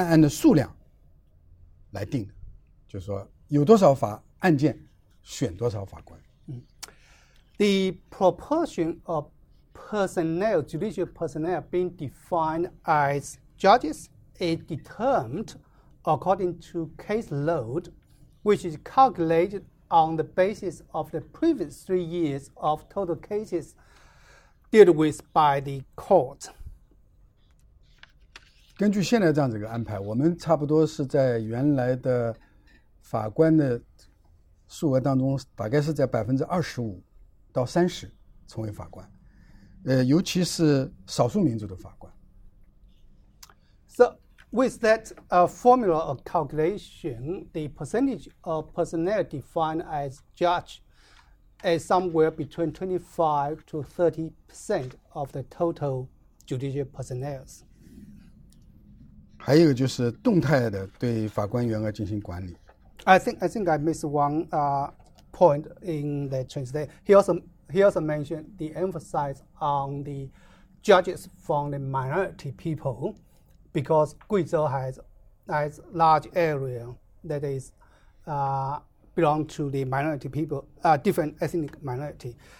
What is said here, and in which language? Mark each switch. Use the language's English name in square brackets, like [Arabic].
[Chinese] 第三个呢，就是以案定员，就是我们的法官的数呢，是基于对前三年的这个办案的数量来定的，就是说。有多少法案件，选多少法官。 [English] The proportion of personnel, judicial personnel being defined as judges is determined according to case load, which is calculated on the basis of the previous 3 years of total cases dealt with by the court. [Chinese] 根据现在这样子一个安排，我们差不多是在原来的 法官的数额当中，大概是在 25% 到 30% 成为法官，尤其是少数民族的法官。 [English] So with that formula of calculation, the percentage of personnel defined as judge is somewhere between 25 to 30% of the total judicial personnel. [Chinese] 还有就是动态的对法官员额进行管理。 [English] I think I missed one point in the translation. He also mentioned the emphasis on the judges from the minority people, because Guizhou has a large area that is belong to the minority people, different ethnic minority.